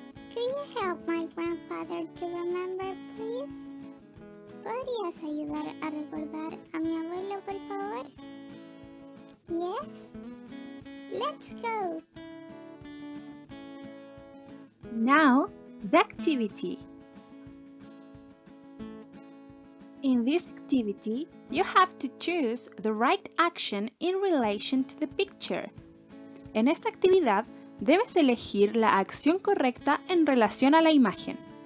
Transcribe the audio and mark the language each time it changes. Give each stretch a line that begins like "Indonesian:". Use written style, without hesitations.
English: Could you help my grandfather to remember, please?
Spanish: ¿Podrías ayudar a recordar a mi abuelo, por favor?
English: Yes? Let's go! Now, the activity. In this activity, you have to choose the right action in relation to the picture.
Spanish: En esta actividad, debes elegir la acción correcta en relación a la imagen.